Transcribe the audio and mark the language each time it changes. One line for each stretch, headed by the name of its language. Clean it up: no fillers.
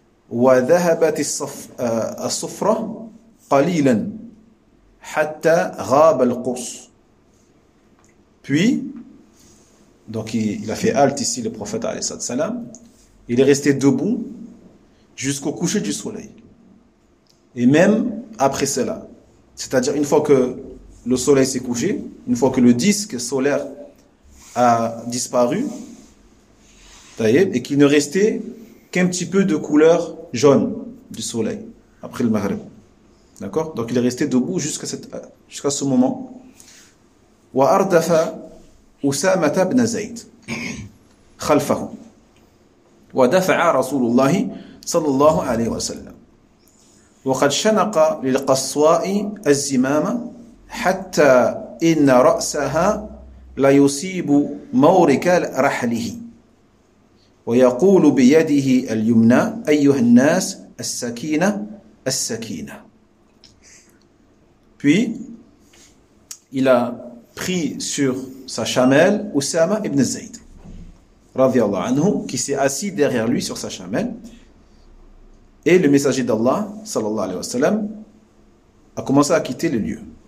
Arabic: وذهبت الصفرة قليلا حتى غاب القرص.
French: Puis, donc il a fait halte ici le prophète alayhi salam. Il est resté debout jusqu'au coucher du soleil. Et même après cela, c'est-à-dire une fois que le soleil s'est couché, une fois que le disque solaire a disparu, et qu'il ne restait qu'un petit peu de couleur jaune du soleil après le Maghreb. D'accord? Donc il est resté debout jusqu'à ce moment.
Arabic: Wa ardafa Usama ibn Zayd khalfahu. Wa dafa'a Rasulullah sallallahu alayhi wa sallam. Wa qad shanaqa lil qaswa'i az-zimama hatta inna ra'saha la yusibu mawrikal rahlihi. ويقول بيده اليمنى أيها الناس السكينة السكينة.
French: Puis, il a pris sur sa chamelle Usama ibn Zayd, radiallahu anhu, qui s'est assis derrière lui sur sa chamelle. Et le messager d'Allah, sallallahu alayhi wa sallam, a commencé à quitter le lieu.